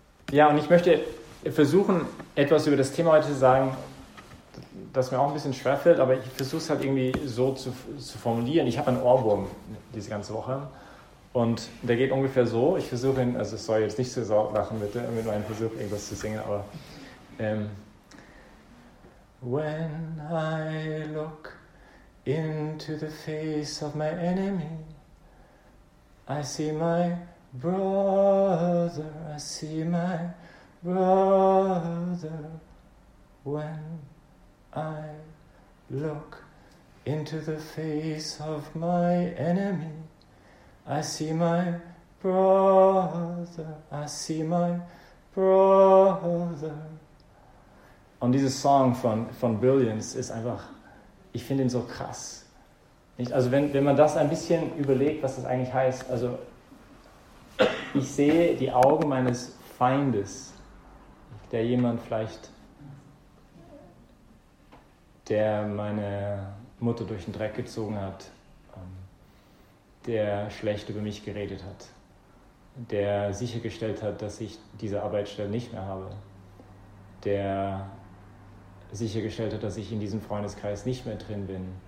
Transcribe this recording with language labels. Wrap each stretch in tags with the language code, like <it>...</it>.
<de>Ja, und ich möchte versuchen, etwas über das Thema heute zu sagen, das mir auch ein bisschen schwerfällt, aber ich versuche es halt irgendwie so zu formulieren. Ich habe einen Ohrwurm diese ganze Woche. Und der geht ungefähr so. Ich versuche ihn, also es soll jetzt nicht so lachen, bitte, mit meinem Versuch, irgendwas zu singen, aber.</de> <en>When I look into the face of my enemy, I see my brother, I see my brother. When I look into the face of my enemy, I see my brother, I see my brother.</en> <de>Und dieses Song von Billions ist einfach, ich finde ihn so krass. Nicht? Also wenn man das ein bisschen überlegt, was das eigentlich heißt, also ich sehe die Augen meines Feindes, der jemand vielleicht, der meine Mutter durch den Dreck gezogen hat, der schlecht über mich geredet hat, der sichergestellt hat, dass ich diese Arbeitsstelle nicht mehr habe, der sichergestellt hat, dass ich in diesem Freundeskreis nicht mehr drin bin.</de>